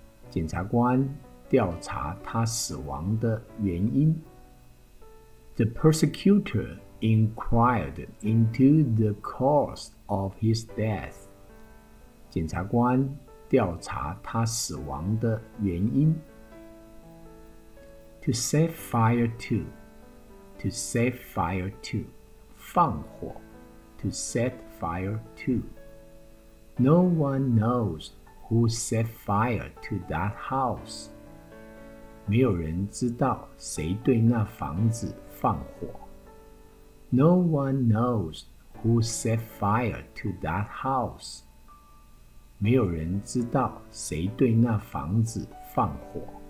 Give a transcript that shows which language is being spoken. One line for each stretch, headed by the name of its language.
Chinese: 检察官调查他死亡的原因。
English: The persecutor inquired into the cause of his death.
Chinese: 检察官调查他死亡的原因。
English: To set fire to. To set fire to.
Chinese: 放火。
English: To set fire to. No one knows who set fire to that house.
Chinese: 没有人知道谁对那房子放火。
English: No one knows who set fire to that house.
Chinese: 没有人知道谁对那房子放火。